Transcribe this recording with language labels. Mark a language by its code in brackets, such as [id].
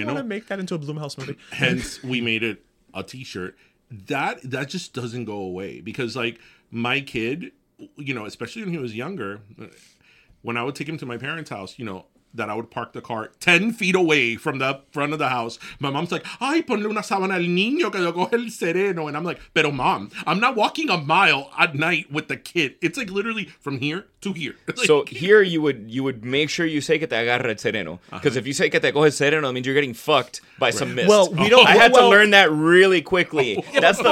[en] I want to make that into a Blumhouse movie. Hence, we made it a t-shirt. That just doesn't go away. Because, like, my kid, you know, especially when he was younger, when I would take him to my parents' house, you know, that I would park the car 10 feet away from the front of the house. My mom's like, [es] ay, ponle una sábana al niño que lo coge el sereno. [en] And I'm like, pero mom, I'm not walking a mile at night with the kid. It's like literally from here to here. Like, so here you would make sure you say [es] que te agarra el sereno. [en] Because if you say [es] que te coge el sereno, [en] it means you're getting fucked by some mist. Well, I had to learn that really quickly. That's the